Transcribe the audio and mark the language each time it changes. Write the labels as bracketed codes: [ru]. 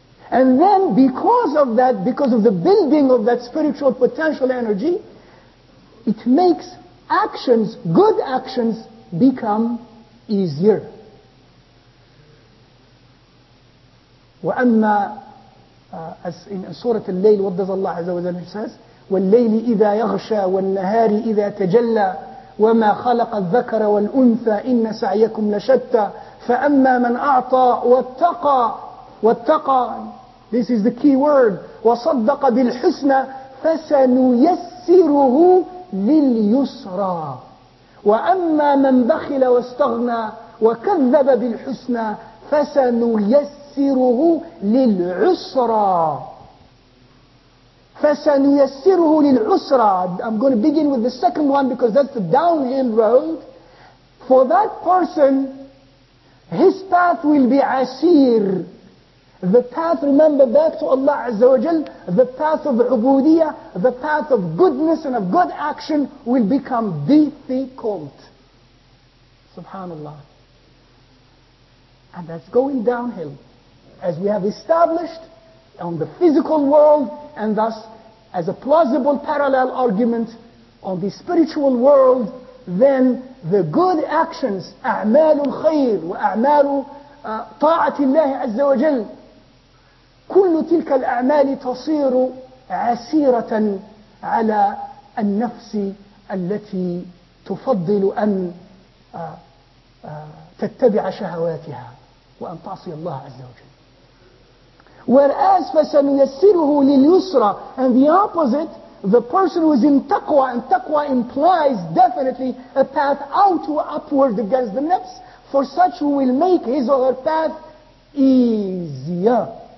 [en] And then because of that, because of the building of that spiritual potential energy, it makes actions, good actions, become easier. وَأَمَّا as in Surah Al-Layl, what does Allah Azza wa Jalla says? [ar] والليل إذا يغشى والنهار إذا تجلى وما خلق الذكر والأنثى إن سعيكم لشتى فأما من أعطى واتقى واتقى [en] This is the key word [ar] وصدق بالحسنى فسنيسره لليسرى وأما من بخل واستغنى وكذب بالحسنى فسنيسره للعسرى فسنيسره للعسرى [en] I'm going to begin with the second one because that's the downhill road. For that person, his path will be عسير. The path, remember back to Allah Azza wa Jal, the path of ubudiyah, the path of goodness and of good action will become difficult. Subhanallah. And that's going downhill. As we have established on the physical world and thus as a plausible parallel argument on the spiritual world, then the good actions, [ar] أعمال الخير وأعمال طاعة الله عز وجل, كل تلك الأعمال تصير عسيرة على النفس التي تفضل أن تتبع شهواتها وأن تعصي الله عز وجل. [en] Whereas [ar] فَسَنُيَسِّرُهُ لِلْيُسْرَى [en] And the opposite, the person who is in taqwa, and taqwa implies definitely a path out or upward against the nafs, for such who will make his or her path easier.